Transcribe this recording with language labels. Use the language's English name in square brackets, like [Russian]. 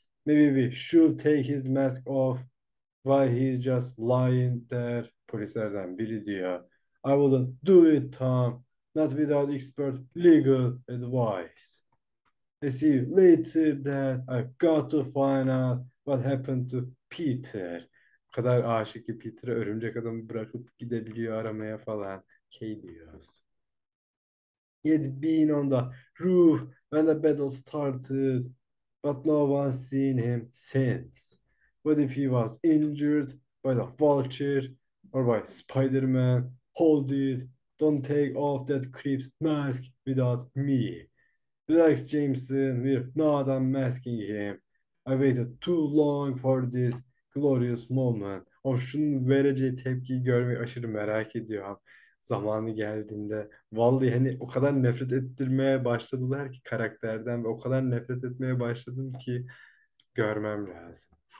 [English] Maybe we should take his mask off while he's just lying there. [Turkish] Polislerden biri diyor. [English] I wouldn't do it, Tom. Not without expert legal advice. I see later that I've got to find out what happened to Peter. [Turkish] O kadar aşık ki Peter'ı örümcek adamı bırakıp gidebiliyor aramaya falan. K diyoruz. [English] He had been on the roof when the battle started, but no one's seen him since. What if he was injured by the vulture or by Spider-Man? Hold it. Don't take off that creep's mask without me. Relax, Jameson. We're not unmasking him. I waited too long for this glorious moment. [Turkish] Of şunun vereceği tepkiyi görmeyi aşırı merak ediyorum. Zamanı geldiğinde. Vallahi hani o kadar nefret ettirmeye başladılar ki karakterden ve o kadar nefret etmeye başladım ki görmem lazım.